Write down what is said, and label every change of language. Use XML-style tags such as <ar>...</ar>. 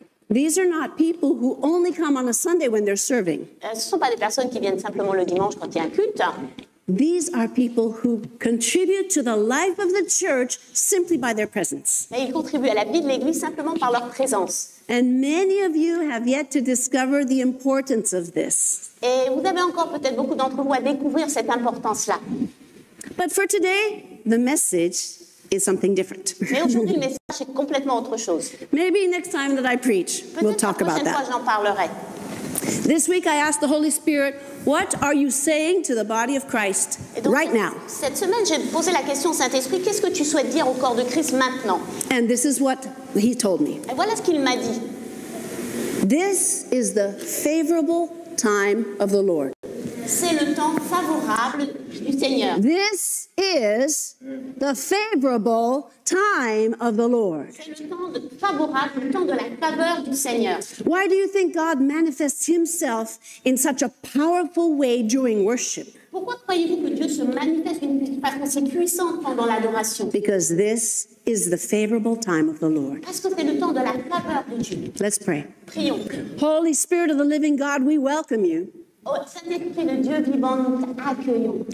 <en>These are not people who only come on a Sunday when they're serving.</en> <fr>Ce ne sont pas des personnes qui viennent simplement le dimanche quand il y a un culte.</fr> <en>These are people who contribute to the life of the church simply by their presence.</en> <fr>Et ils contribuent à la vie de l'église simplement par leur présence.</fr> <en>And many of you have yet to discover the importance of this.</en> <fr>Et vous avez encore peut-être beaucoup d'entre vous à découvrir cette importance-là.</fr> <en>But for today, the message is something different.</en> <fr>Mais aujourd'hui, le message est complètement autre chose.</fr> <en>Maybe next time that I preach,</en> <fr>peut-être</fr> <en>we'll talk about that.</en> <fr>J'en parlerai.</fr> <en>This week I asked the Holy Spirit, what are you saying to the body of Christ right now?</en> <fr>Cette semaine, j'ai posé la question au Saint-Esprit, qu'est-ce que tu souhaites dire au corps de Christ maintenant?</fr> <en>And this is what he told me.</en> <fr>Et voilà ce qu'il m'a dit.</fr> <en>This is the favorable time of the Lord.</en> <fr>C'est le temps favorable du Seigneur.</fr> <en>This is the favorable time of the Lord.</en> <fr>C'est le temps favorable, le temps de la faveur du Seigneur.</fr> <en>Why do you think God manifests himself in such a powerful way during worship?</en> <fr>Pourquoi croyez-vous que Dieu se manifeste d'une façon si puissante pendant l'adoration?</fr> <en>Because this is the favorable time of the Lord.</en> <fr>Parce que c'est le temps de la faveur de Dieu.</fr> <en>Let's pray.</en> <fr>Prions.</fr> <en>Holy Spirit of the living God, we welcome you.</en> <fr>Oh, Saint-Esprit de Dieu vivant, nous t'accueillons.</fr>